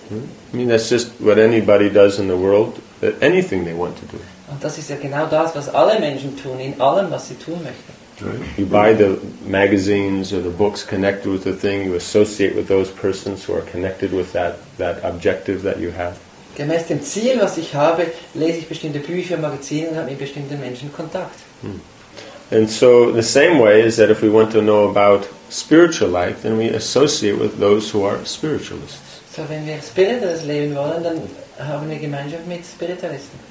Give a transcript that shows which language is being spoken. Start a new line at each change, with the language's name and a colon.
English: I mean, that's just what anybody does in the world, anything they want to do.
German: Und das ist ja genau das, was alle Menschen tun, in allem, was sie tun möchten.
English: Right. You buy the magazines or the books connected with the thing, you associate with those persons who are connected with that objective that you have.
German: Gemäß dem Ziel, was ich habe, lese ich bestimmte Bücher, Magazine und habe mit bestimmten Menschen Kontakt. Hmm.
English: And so the same way is that if we want to know about spiritual life, then we associate with those who are spiritualists.
German: So wenn wir spirituelles Leben wollen, dann haben wir Gemeinschaft mit Spiritualisten.